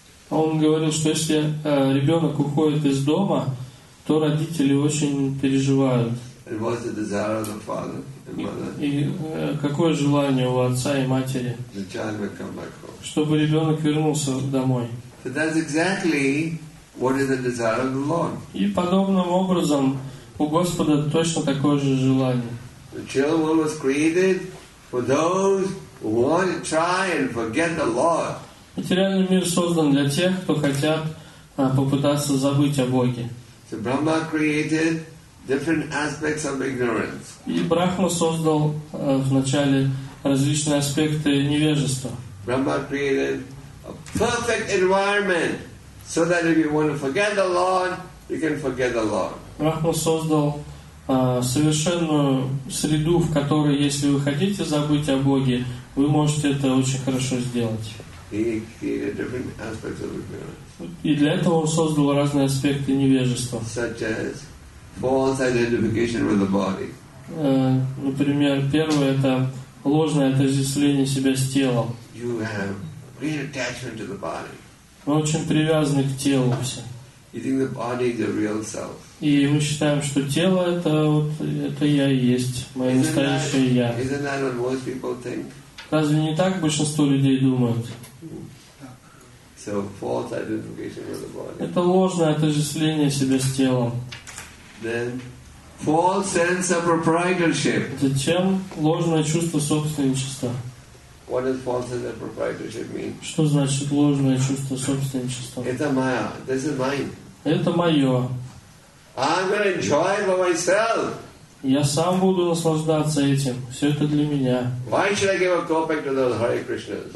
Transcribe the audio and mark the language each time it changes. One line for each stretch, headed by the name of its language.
Russian: Он говорил, что если ребенок уходит из дома, то родители очень переживают.
English: And what's the desire of the father and mother?
Russian: И какое желание у отца и матери?
English: The child will come back home.
Russian: Чтобы ребенок вернулся домой.
English: So that's exactly what is the desire of the Lord.
Russian: И подобным образом у Господа точно такое же желание.
English: The children was created for those who want to try and forget the Lord.
Russian: Материальный мир создан для тех, кто хотят попытаться забыть о Боге.
English: So Brahma created different aspects of ignorance.
Russian: И Брахма создал вначале различные аспекты невежества.
English: Brahma created a perfect environment so that if you want to forget the Lord, you can forget the Lord.
Russian: Брахма создал совершенную среду, в которой, если вы хотите забыть о Боге, вы можете это очень хорошо сделать. И для этого он создал разные аспекты невежества.
English: Such as false identification with the body.
Russian: Например, первое — это ложное отождествление себя с телом.
English: You have great attachment to the body.
Russian: Вы очень привязаны к телу все.
English: You think the body is the real self.
Russian: И мы считаем, что тело — это я и есть, мое
English: isn't
Russian: настоящее
English: that, Isn't that what most people think?
Russian: Разве не так большинство людей думают?
English: So, false identification with the body.
Russian: Это ложное отождествление себя с телом.
English: Then, false sense of proprietorship.
Russian: Зачем ложное чувство собственничества?
English: What does false sense of proprietorship mean?
Russian: Что значит ложное чувство собственничества? Это моя.
English: This is mine.
Russian: Это мое.
English: I'm gonna enjoy it for myself.
Russian: Я сам буду наслаждаться этим. Все это для меня.
English: Why should I give a copeck to those Hare Krishnas?